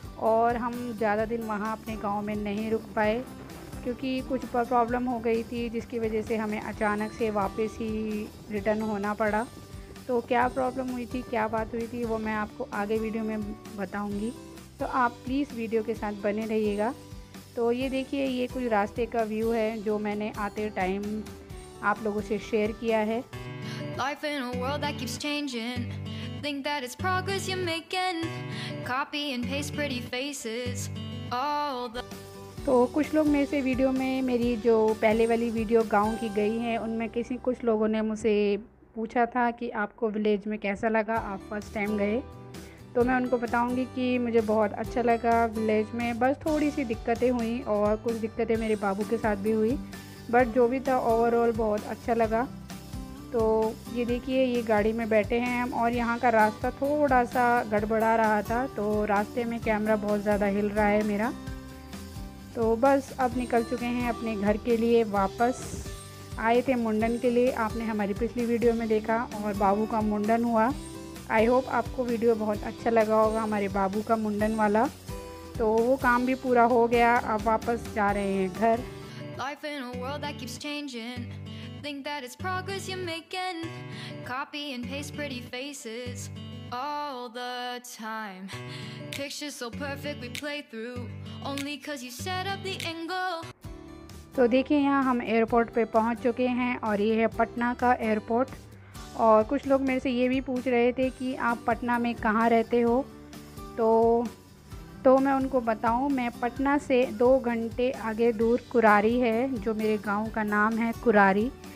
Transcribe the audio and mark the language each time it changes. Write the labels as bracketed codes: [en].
[hi] और हम ज़्यादा दिन वहाँ अपने गांव में नहीं रुक पाए, क्योंकि कुछ प्रॉब्लम हो गई थी जिसकी वजह से हमें अचानक से वापस ही रिटर्न होना पड़ा। तो क्या प्रॉब्लम हुई थी, क्या बात हुई थी, वो मैं आपको आगे वीडियो में बताऊँगी। तो आप प्लीज़ वीडियो के साथ बने रहिएगा। तो ये देखिए, ये कुछ रास्ते का व्यू है जो मैंने आते टाइम आप लोगों से शेयर किया है। [en] Life in a world that keeps changing. Think that it's progress you're making. Copy and paste pretty faces. All the... [hi] तो कुछ लोग मेरे से वीडियो में, मेरी जो पहले वाली वीडियो गांव की गई है, उनमें किसी कुछ लोगों ने मुझसे पूछा था कि आपको विलेज में कैसा लगा, आप फर्स्ट टाइम गए। तो मैं उनको बताऊंगी कि मुझे बहुत अच्छा लगा विलेज में। बस थोड़ी सी दिक्कतें हुई, और कुछ दिक्कतें मेरे बाबू के साथ भी हुई, बट जो भी था ओवरऑल बहुत अच्छा लगा। तो ये देखिए, ये गाड़ी में बैठे हैं हम, और यहाँ का रास्ता थोड़ा सा गड़बड़ा रहा था, तो रास्ते में कैमरा बहुत ज़्यादा हिल रहा है मेरा। तो बस अब निकल चुके हैं अपने घर के लिए। वापस आए थे मुंडन के लिए, आपने हमारी पिछली वीडियो में देखा, और बाबू का मुंडन हुआ। आई होप आपको वीडियो बहुत अच्छा लगा होगा हमारे बाबू का मुंडन वाला। तो वो काम भी पूरा हो गया, अब वापस जा रहे हैं घर। [en] Life in a world that keeps changing. Think that it's progress you're making. Copy and paste pretty faces all the time. Pictures so perfect we play through. Only 'cause you set up the angle. [hi] तो देखिए, यहाँ हम airport पे पहुँच चुके हैं, और ये है पटना का एयरपोर्ट। और कुछ लोग मेरे से ये भी पूछ रहे थे कि आप पटना में कहाँ रहते हो। तो मैं उनको बताऊँ, मैं पटना से 2 घंटे आगे दूर कुरारी है, जो मेरे गांव का नाम है कुरारी।